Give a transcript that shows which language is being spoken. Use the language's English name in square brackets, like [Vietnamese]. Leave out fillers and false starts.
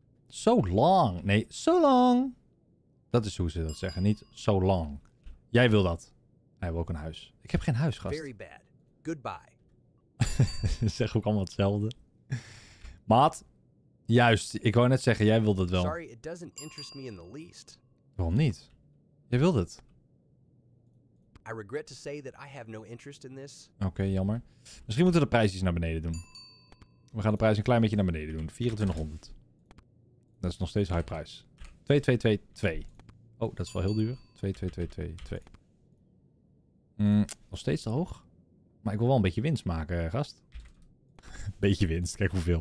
[English] So long. [Dutch] Nee, [English] so long. [Dutch] Dat is hoe ze dat zeggen. Niet [English] so long. [Dutch] Jij wil dat. Hij wil ook een huis. Ik heb geen huis, gast. [English] Very bad. Goodbye. [Dutch] Zeg ook allemaal hetzelfde. Maat, juist. Ik wou net zeggen, jij wil dat wel. [English] Sorry, it doesn't interest me in the least. [Dutch] Waarom niet? Jij wil het. [English] I regret to say that I have no interest in this. [Dutch] Oké, jammer. Misschien moeten we de prijs iets naar beneden doen. We gaan de prijs een klein beetje naar beneden doen. 2400. Dat is nog steeds [English] high price. [Dutch] 2222. Oh, dat is wel heel duur. 2222. Nog steeds te hoog. Maar ik wil wel een beetje winst maken, gast. Beetje winst. Kijk hoeveel.